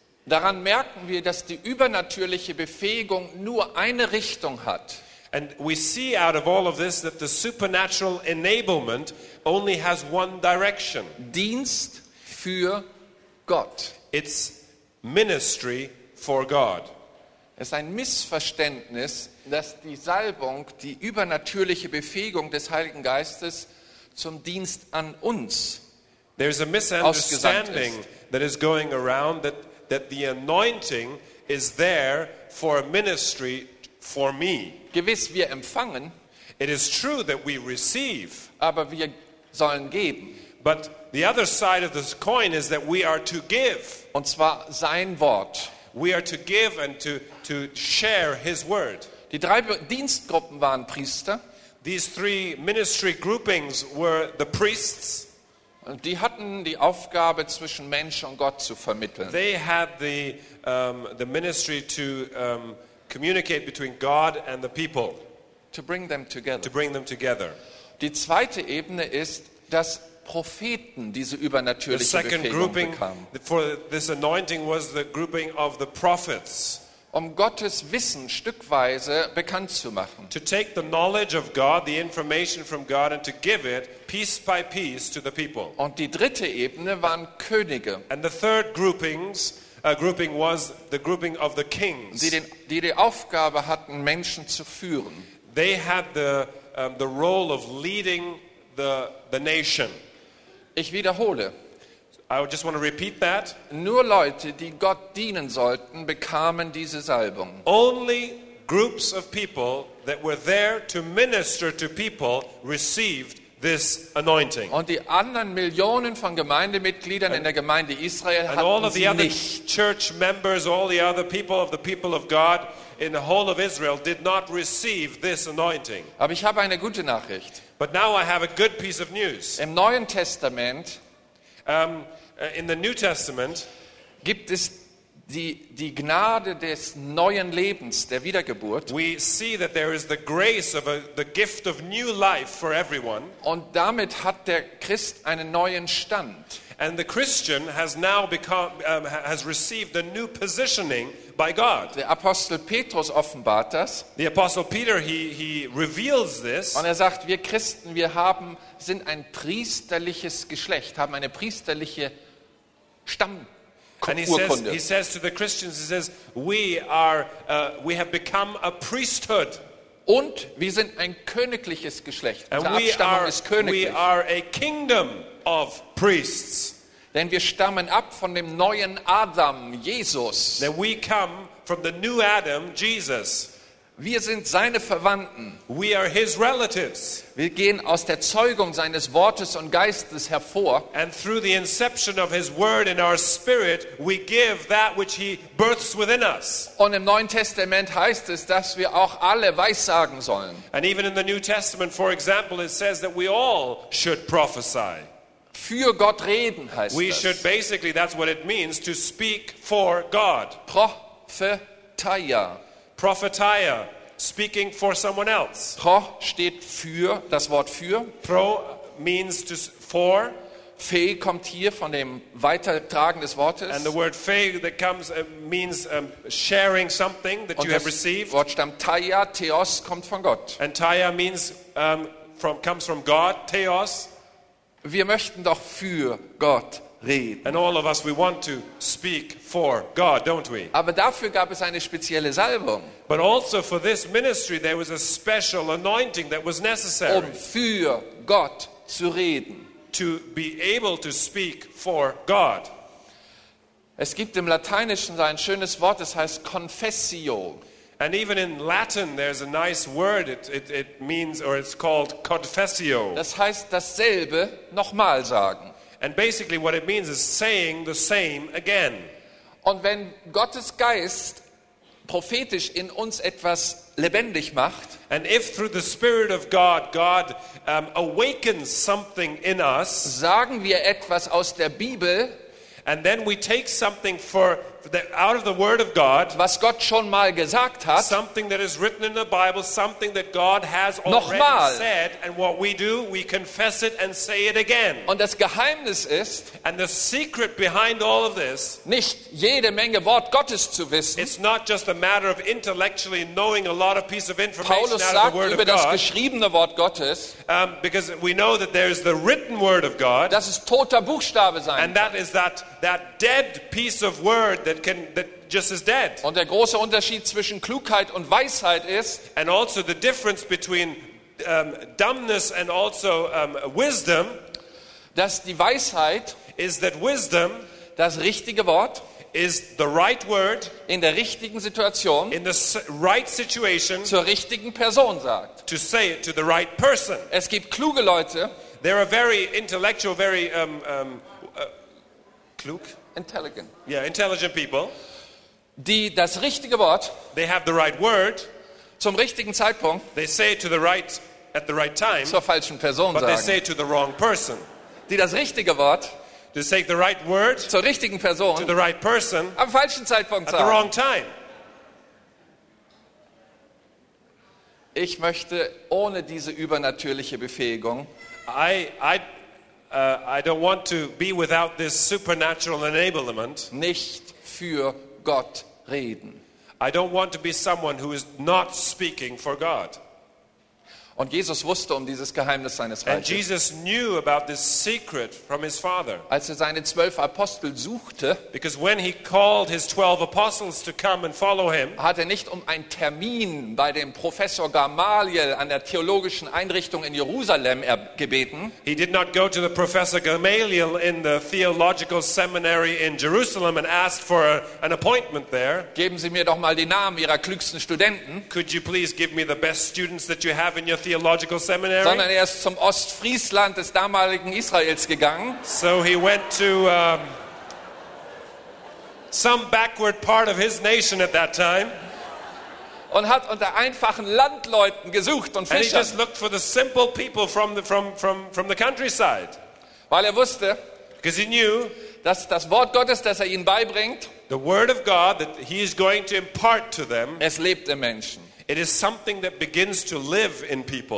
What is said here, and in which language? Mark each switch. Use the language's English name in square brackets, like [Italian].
[German] Daran merken wir, dass die übernatürliche Befähigung nur eine Richtung hat. [English] And we see out of all of this that the supernatural enablement only has one direction. [German] Dienst für Gott. [English] It's ministry for God. [German] Es ist ein Missverständnis, dass die Salbung, die übernatürliche Befähigung des Heiligen Geistes zum Dienst an uns. [English] There is a misunderstanding that is going around that the anointing is there for a ministry for me. [German] Gewiss, wir empfangen. [English] It is true that we receive. [German] Aber wir sollen geben. [English] But the other side of this coin is that we are to give. [German] Und zwar sein Wort. [English] We are to give and to share his word. [German] Die drei Dienstgruppen waren Priester. [English] These three ministry groupings were the priests. [German] Und die hatten die Aufgabe, zwischen Mensch und Gott zu vermitteln. [English] They had the ministry to communicate between God and the people. To bring them together. To bring them together. [German] Die zweite Ebene ist, dass Propheten diese übernatürliche Befähigung [English] grouping, [German] bekamen. [English] For this anointing was the grouping of the prophets. [German] Um Gottes Wissen stückweise bekannt zu machen. [English] To take the knowledge of God, the information from God and to give it piece by piece to the people. [German] Und die dritte Ebene waren Könige. [English] And the third grouping was the grouping of the kings. [German] Die Aufgabe hatten, Menschen zu führen. [English] They had the role of leading the nation. [German] Ich wiederhole. [English] I just want to repeat that. [German] Nur Leute, die Gott dienen sollten, bekamen diese Salbung. [English] Only groups of people that were there to minister to people received this anointing. [German] Und die anderen Millionen von Gemeindemitgliedern in der Gemeinde Israel hatten sie nicht. [English] And all of the other church members, all the other people of God in the whole of Israel did not receive this anointing. [German] Aber ich habe eine gute Nachricht. [English] But now I have a good piece of news. [German] Im Neuen Testament, [English] in the New Testament, [German] gibt es die Gnade des neuen Lebens, der Wiedergeburt. [English] We see that there is the grace of the gift of new life for everyone. [German] Und damit hat der Christ einen neuen Stand. [English] And the Christian has now become has received a new positioning by God. [German] Der Apostel Petrus offenbart das. [English] The Apostle Peter he reveals this. [German] Und sagt, wir Christen, wir sind ein priesterliches Geschlecht, haben eine priesterliche Stammurkunde. [English] And he says to the Christians, he says, we have become a priesthood. [German] Und wir sind ein königliches Geschlecht. Unsere Abstammung ist königlich. [English] We are a kingdom of priests. [German] Denn wir stammen ab von dem neuen Adam, Jesus. [English] That we come from the new Adam, Jesus. [German] Wir sind seine Verwandten. [English] We are his relatives. [German] Wir gehen aus der Zeugung seines Wortes und Geistes hervor. [English] And through the inception of his word in our spirit, we give that which he births within us. [German] Und im Neuen Testament heißt es, dass wir auch alle weissagen sollen. [English] And even in the New Testament, for example, it says that we all should prophesy. [German] Für Gott reden heißt [English] we [German] das. [English] We should basically, that's what it means, to speak for God. [German] Prophetia. [English] Prophetia, speaking for someone else. [German] Pro steht für, das Wort für. [English] Pro means to for. [German] Fe kommt hier von dem Weitertragen des Wortes. [English] And the word fe that comes means sharing something that [German] Und [English] you have received. [German] Wort stammt taia, theos kommt von Gott. [English] And taia means comes from God, theos. [German] Wir möchten doch für Gott reden. [English] And all of us, we want to speak for God, don't we? [German] Aber dafür gab es eine spezielle Salbung. [English] But also for this ministry, there was a special anointing that was necessary. [German] Um für Gott zu reden. [English] To be able to speak for God. [German] Es gibt im Lateinischen ein schönes Wort, das heißt confessio. [English] And even in Latin, there's a nice word. It means, or it's called confessio. [German] Das heißt, dasselbe nochmal sagen. [English] And basically, what it means is saying the same again. [German] Und wenn Gottes Geist prophetisch in uns etwas lebendig macht, [English] and if through the Spirit of God, God awakens something in us, [German] sagen wir etwas aus der Bibel. [English] And then we take something out of the Word of God, [German] was Gott schon mal gesagt hat, [English] something that is written in the Bible, something that God has already [German] nochmal [English] said, and what we do, we confess it and say it again. [German] Und das Geheimnis ist, [English] and the secret behind all of this, [German] nicht jede Menge Wort Gottes zu wissen, [English] it's not just a matter of intellectually knowing a lot of piece of information [German] Paulus [English] out of the Word [German] über [English] of God, [German] das geschriebene Wort Gottes, [English] because we know that there is the written Word of God, [German] das ist toter Buchstabe sein, [English] and that is that dead piece of word that just is dead. [German] Und der große Unterschied zwischen Klugheit und Weisheit ist, [English] and also the difference between dumbness and also wisdom, [German] dass die Weisheit [English] is that wisdom, [German] das richtige Wort [English] is the right word, [German] in der richtigen Situation, [English] in the right situation, [German] zur richtigen Person sagt, [English] to say it to the right person. [German] Es gibt kluge Leute, [English] there are very intellectual, very klug, intelligent. Yeah, intelligent people. [German] Die das richtige Wort, [English] they have the right word, [German] zum richtigen Zeitpunkt, [English] they say it to the right at the right time, [German] zur falschen Person [English] but [German] sagen, [English] they say it to the wrong person. [German] Die das richtige Wort, [English] they say the right word, [German] zur richtigen Person, [English] to the right person, [German] am falschen Zeitpunkt [English] at [German] sagen, [English] the wrong time. [German] Ich möchte ohne diese übernatürliche Befähigung, [English] I don't want to be without this supernatural enablement. [German] Nicht für Gott reden. [English] I don't want to be someone who is not speaking for God. [German] Und Jesus wusste um dieses Geheimnis seines Reiches. [English] And Jesus knew about this secret from his father. [German] Als er seine 12 Apostel suchte, [English] because when he called his 12 apostles to come and follow him, [German] hat er nicht um einen Termin bei dem Professor Gamaliel an der theologischen Einrichtung in Jerusalem gebeten. [English] He did not go to the Professor Gamaliel in the theological seminary in Jerusalem and asked for an appointment there. [German] Geben Sie mir doch mal die Namen Ihrer klügsten Studenten. [English] Could you please give me the best students that you have in your theological seminary? [German] Sondern er ist zum Ostfriesland des damaligen Israels gegangen. [English] So he went to some backward part of his nation at that time. [German] Und hat unter einfachen Landleuten gesucht und Fischern. [English] And he just looked for the simple people from the countryside. [German] Weil er wusste, [English] because he knew, [German] dass das Wort Gottes, das er ihnen beibringt, [English] the word of God that he is going to impart to them, [German] es lebt im Menschen. [English] It is something that begins to live in people.